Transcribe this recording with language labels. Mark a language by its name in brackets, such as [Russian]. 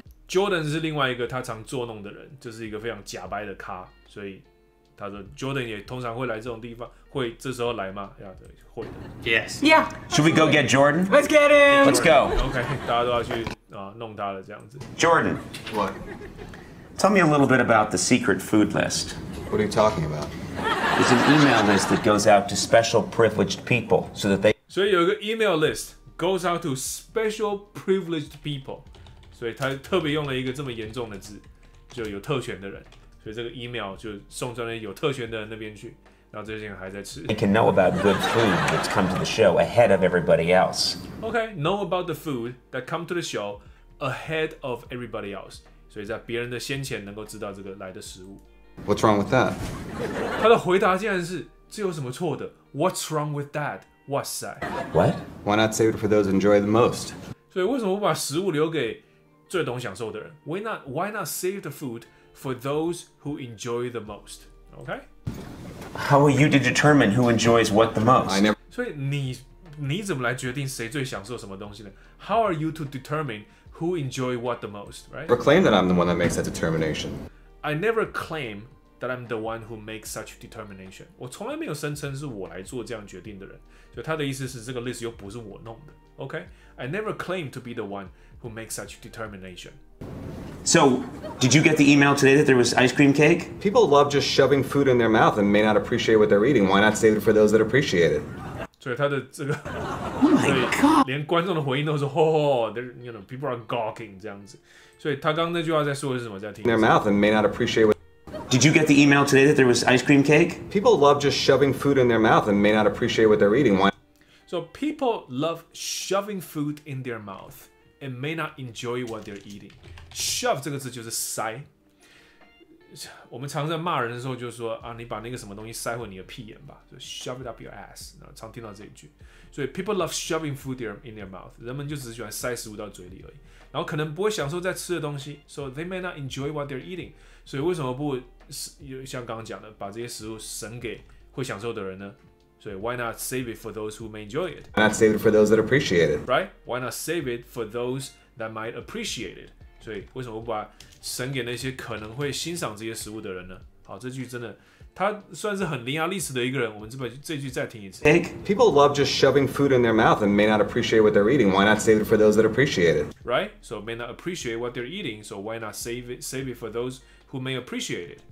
[Chinese] Jordan 是另外一个他常作弄的人，就是一个非常假掰的咖，所以他说 Jordan 也通常会来这种地方，会这时候来吗？呀，对，会的。 [English] Yes. Yeah. Should we go get Jordan? Let's get him. Let's go. Okay. [Chinese] 大家都要去啊，弄他了这样子。 [English] Jordan, what? Tell me a little bit about the secret food list. What are you talking about? It's an email list that goes out to special privileged people, so that they. [Chinese] 所以有一个 [English] email list goes out to special privileged people. [Chinese] 所以他特别用了一个这么严重的字，就有特权的人。所以这个 email 就送到了有特权的人那边去，然后这些人还在吃。 [English] They can know about good food that's come to the show ahead of everybody else. Okay, know about the food that come to the show ahead of everybody else. [Chinese] 所以在别人的先前能够知道这个来的食物。 [English] What's wrong with that? [Chinese] 他的回答竟然是这有什么错的 ？ [English] What's wrong with that? [Chinese] 哇塞 [English] ！What? Why not save it for those enjoy the most? [Chinese] 所以为什么不把食物留给最懂享受的人 ？ [English] Why not save the food? For those who enjoy the most, okay? How are you to determine who enjoys what the most? I never. [Chinese] 所以你怎么来决定谁最享受什么东西呢 ？ [English] How are you to determine who enjoy what the most? [Chinese] Right? [English] Never claim that I'm the one that makes that determination. I never claim that I'm the one who makes such determination. [Chinese] 我从来没有声称是我来做这样决定的人。所以他的意思是这个 list 又不是我弄的 ，okay? [English] I never claim to be the one who makes such determination. So, did you get the email today that there was ice cream cake? People love just shoving food in their mouth and may not appreciate what they're eating. Why not save it for those that appreciate it? [Chinese] 所以他的这个 [English] ，Oh my god！ [Chinese] 连观众的回应都是 ， [English] Oh，you know, people are gawking [Chinese] 这样子。所以他刚刚那句话在说的是什么？在听 [English] in their mouth and may not appreciate what. Did you get the email today that there was ice cream cake? People love just shoving food in their mouth and may not appreciate what they're eating. Why? So people love shoving food in their mouth and may not enjoy what they're eating. [Chinese] Shove 这个字就是塞。我们常在骂人的时候就说啊，你把那个什么东西塞回你的屁眼吧，就 [English] shove it up your ass。 [Chinese] 常听到这一句。所以 [English] people love shoving food in their mouth， [Chinese] 人们就只喜欢塞食物到嘴里而已，然后可能不会享受在吃的东西 ， [English] so they may not enjoy what they're eating。 [Chinese] 所以为什么不像刚刚讲的，把这些食物省给会享受的人呢？所以 [English] why not save it for those who may enjoy it？ Why not save it for those that appreciate it？ Right？ Why not save it for those that might appreciate it？ [Chinese] 所以为什么不把省给那些可能会欣赏这些食物的人呢？好，这句真的，他算是很伶牙俐齿的一个人。我们这句再听一次。 [English] Egg. People love just shoving food in their mouth and may not appreciate what they're eating. Why not save it for those that appreciate it? Right. So may not appreciate what they're eating. So why not save it for those who may appreciate it?